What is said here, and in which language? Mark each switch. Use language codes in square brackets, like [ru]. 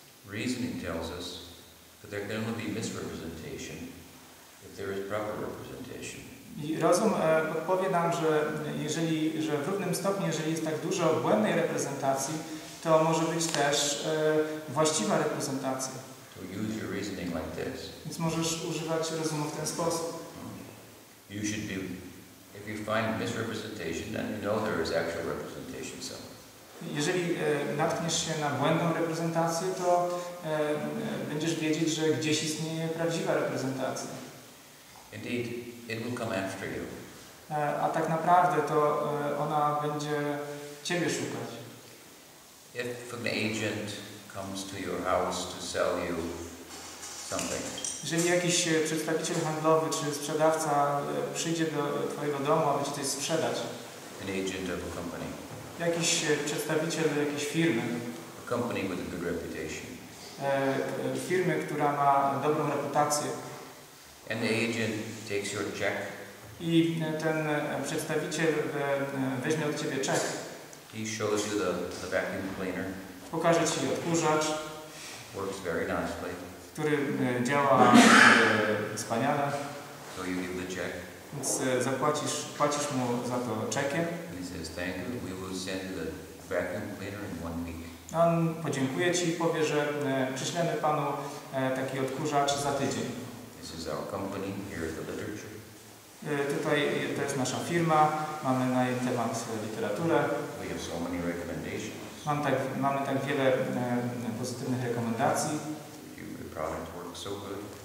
[en] Reasoning tells us that there can only be misrepresentation if there is proper representation. [pl] I rozum podpowie nam, że w równym stopniu, jeżeli jest tak dużo błędnej reprezentacji, to może być też właściwa reprezentacja. [en] To use your reasoning like this. [pl] Więc możesz używać rozumu w ten sposób. [en] You should be, if you find misrepresentation, then you know there is actual representation somewhere. [pl] Jeżeli natkniesz się na błędną reprezentację, to będziesz wiedzieć, że gdzieś istnieje prawdziwa reprezentacja. [en] Indeed, it will come after you. [pl] A tak naprawdę to ona będzie ciebie szukać. [en] If an agent comes to your house to sell you something. [pl] Jeżeli jakiś przedstawiciel handlowy czy sprzedawca przyjdzie do twojego domu, aby ci coś sprzedać. [en] An agent of a company. [pl] Jakiś przedstawiciel jakiejś firmy. [en] A company with a good reputation. [pl] Firmy, która ma dobrą reputację. [en] And the agent takes your check. [pl] I ten przedstawiciel weźmie od ciebie czek. [en] He shows you the vacuum cleaner. [pl] Pokaże ci odkurzacz. [en] Works very nicely. [pl] Który działa wspaniale. [en] So you give the check. [pl] Więc płacisz mu za to czekiem. [en] He says thank you. We will send you the vacuum cleaner in 1 week. [pl] On podziękuje ci i powie, że przyślemy panu taki odkurzacz za tydzień. [en] This is our company. Here is the literature. [pl] Tutaj to jest nasza firma. Mamy na jej temat literaturę. [en] We have so many recommendations. [pl] Mamy tak wiele pozytywnych rekomendacji. [en] Your product works so good.